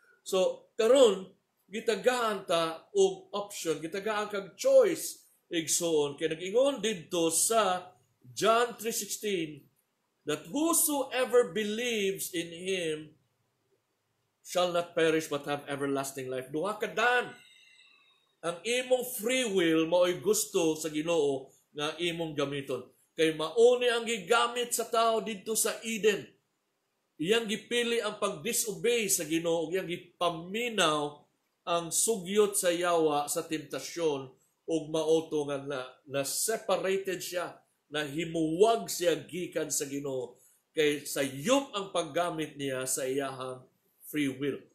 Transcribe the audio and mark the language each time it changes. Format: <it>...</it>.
<ceb>So karon gitagaan ta og option, gitagaan kag choice igsoon kay nagingon didto sa John 3:16</ceb> <en>that whosoever believes in him shall not perish but have everlasting life.</en> <ceb>Duha ka dan. Ang imong free will mao'y gusto sa Ginoo nga imong gamiton. Kay mauni ang gigamit sa tao dito sa Eden. Iyang gipili ang pag-disobey sa Ginoo, iyang gipaminaw ang sugyot sa yawa sa temptasyon ug mauto nga na separated siya, na himuwag siya gikan sa Ginoo kay sayop ang paggamit niya sa iyahang free will.</ceb>